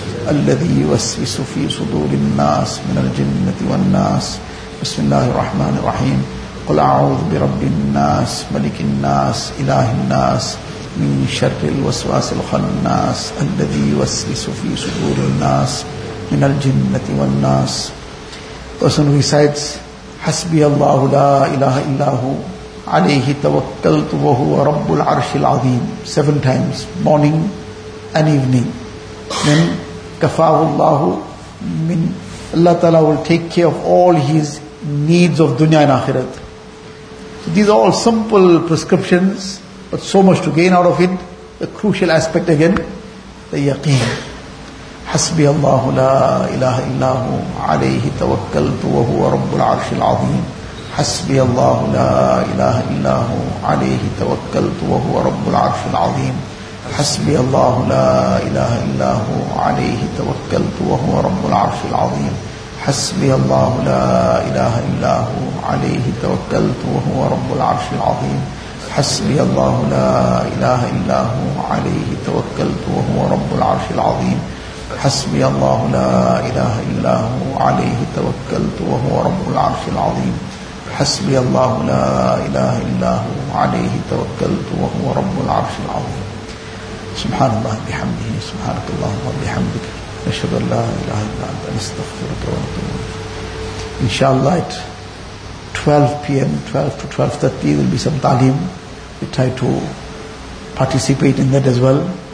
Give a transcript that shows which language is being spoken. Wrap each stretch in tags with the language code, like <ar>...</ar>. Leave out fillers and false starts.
<ar>الذي يوسوس في صدور الناس من الجنة والناس بسم الله الرحمن الرحيم قل أعوذ برب الناس ملك الناس إله الناس من شر الوسواس الخناس الذي يوسوس في صدور الناس من الجنة والناس.</ar> <en>Person who recites حسبي الله لا إله إلا هو عليه توكلت وهو رب العرش العظيم 7 times morning and evening. Then</en> <ar>كفاه الله من</ar> <en>Allah Ta'ala will take care of all his needs of dunya and akhirat. So these are all simple prescriptions, but so much to gain out of it. The crucial aspect again, the yaqeen.</en> <ar>حسبي الله لا إله إلا هو عليه توكلت وهو رب العرش العظيم حسبي الله لا إله إلا هو عليه توكلت وهو رب العرش العظيم حسبي الله لا إله إلا هو عليه توكلت وهو رب العرش العظيم حسبي الله لا إله إلا هو عليه توكلت وهو رب العرش العظيم حسبي الله لا إله إلا هو عليه توكلت وهو رب العرش العظيم حسبي الله لا إله إلا هو عليه توكلت وهو رب العرش العظيم حسبي الله لا إله إلا هو عليه توكلت وهو رب العرش العظيم سبحان الله بحمده سبحانك اللهم وبحمدك أشهد أن لا إله إلا أنت أستغفرك وأتوب إليك.</ar> <en>إن شاء الله at 12 PM 12 to 12:30 there will be some talim. We try to participate in that as well.</en>